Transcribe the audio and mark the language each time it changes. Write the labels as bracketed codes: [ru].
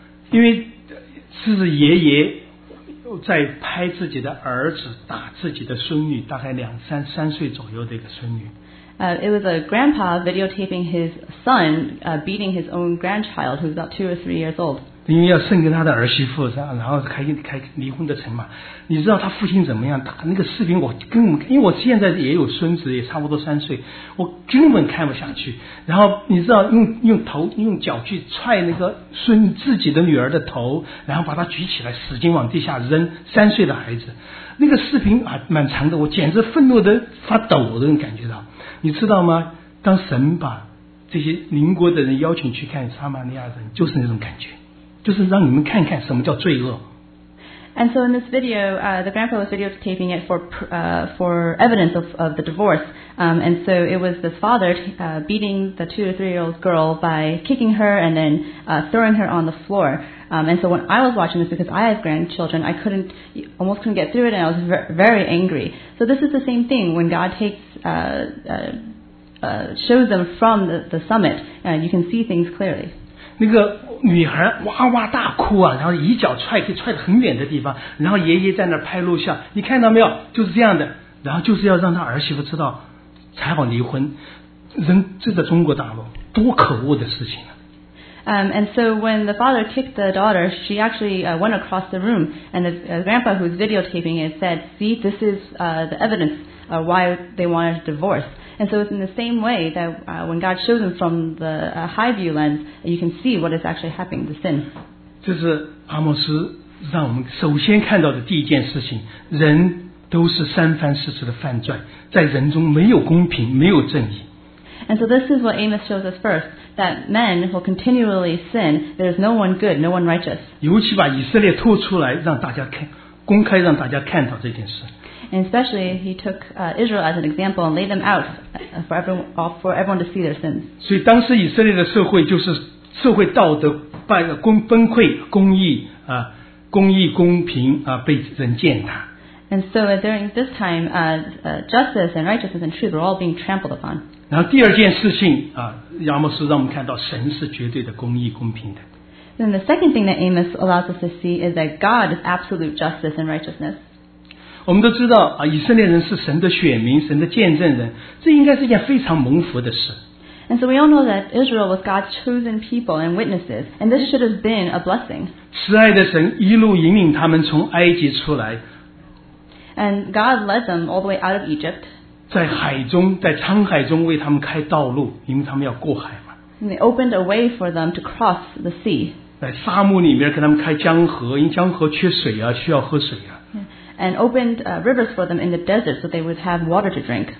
[zh] 因为是爷爷在拍自己的儿子打自己的孙女，大概两三三岁左右的一个孙女。 [en] It was a grandpa videotaping his son beating his own grandchild who's about 2 or 3 years old. [zh] 因为要胜给他的儿媳妇，然后开离婚的成嘛。你知道他父亲怎么样？他那个视频我根本，因为我现在也有孙子，也差不多三岁，我根本看不下去。然后你知道用脚去踹那个自己的女儿的头，然后把他举起来，使劲往地下扔。三岁的孩子，那个视频还蛮长的，我简直愤怒的发抖，我都能感觉到。你知道吗？当神把这些邻国的人邀请去看撒玛利亚人，就是那种感觉，就是让你们看看什么叫罪恶。 [en] And so in this video, the grandpa was videotaping it for evidence of the divorce. And so it was this father beating the 2 to 3 year old girl by kicking her and then throwing her on the floor. And so when I was watching this, because I have grandchildren, I almost couldn't get through it, and I was very angry. So this is the same thing when God takes shows them from the summit, you can see things clearly. [zh] 那个女孩哇哇大哭啊，然后一脚踹，可以踹得很远的地方，然后爷爷在那拍录像，你看到没有？就是这样的，然后就是要让他儿媳妇知道，才好离婚。人这在中国大陆多可恶的事情啊！ [en] And so when the father kicked the daughter, she actually went across the room, and the grandpa who's videotaping it said, "See, this is the evidence why they wanted a divorce." And so it's in the same way that when God shows them from the high view lens, you can see what is actually happening, the sin. [zh] 这是阿摩斯让我们首先看到的第一件事情，人都是三番四次的犯罪，在人中没有公平，没有正义。 [en] And so this is what Amos shows us first, that men will continually sin. There is no one good, no one righteous. [zh] 尤其把以色列拖出来，让大家看，公开让大家看到这件事。 [en] And especially he took Israel as an example and laid them out for everyone to see their sins. [zh] 所以当时以色列的社会就是社会道德崩溃，公义公平被人践踏。 [en] And so during this time, justice and righteousness and truth were all being trampled upon. [zh] 然后第二件事情亚摩斯让我们看到神是绝对的公义公平的。 [en] Then the second thing that Amos allows us to see is that God is absolute justice and righteousness. [zh] 我们都知道以色列人是神的选民，神的见证人，这应该是一件非常蒙福的事。 [en] And so we all know that Israel was God's chosen people and witnesses, and this should have been a blessing. [zh] 慈爱的神一路引领他们从埃及出来。 [en] And God led them all the way out of Egypt. [zh] 在海中，在沧海中为他们开道路，因为他们要过海。 [en] And they opened a way for them to cross the sea. [zh] 在沙漠里面给他们开江河，因为江河缺水啊，需要喝水啊。 [en] And opened rivers for them in the desert so they would have water to drink.